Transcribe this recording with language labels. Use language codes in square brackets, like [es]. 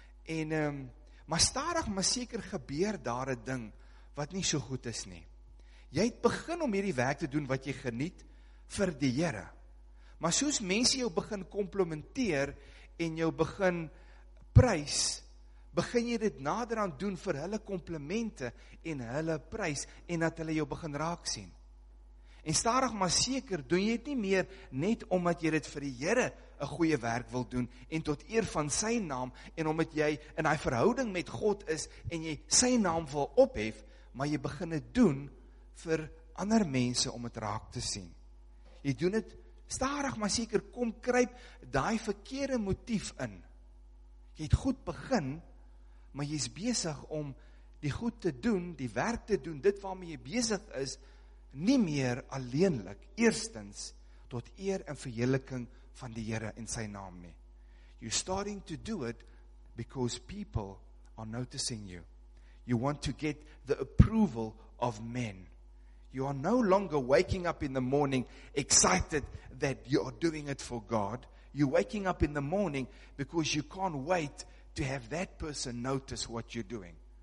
[af] En, maar stadig, maar seker gebeur daar een ding, wat nie so goed is nie. Jy het begin om hierdie werk te doen, wat jy geniet, vir die Here. Maar soos mense jou begin komplimenteer, en jou begin prys, begin jy dit nader aan doen vir hulle komplimente en hulle prys, en dat hulle jou begin raak sien. En stadig maar seker, doen jy dit nie meer net omdat jy dit vir die Here 'n goeie werk wil doen, en tot eer van sy naam, en omdat jy in hy verhouding met God is, en jy sy naam wil ophef, maar jy begin dit doen vir ander mense om het raak te sien. Jy doen het starig, maar seker, kom kruip die verkeerde motief in. Jy het goed begin, maar jy is besig om die goed te doen, die werk te doen, dit waarmee jy besig is, nie meer alleenlik, eerstens, tot eer en verheerliking van die Here in sy naam nie. [en] You're starting to do it because people are noticing you. You want to get the approval of men. You are no longer waking up in the morning excited that you are doing it for God. You're waking up in the morning because you can't wait to have that person notice what you're doing.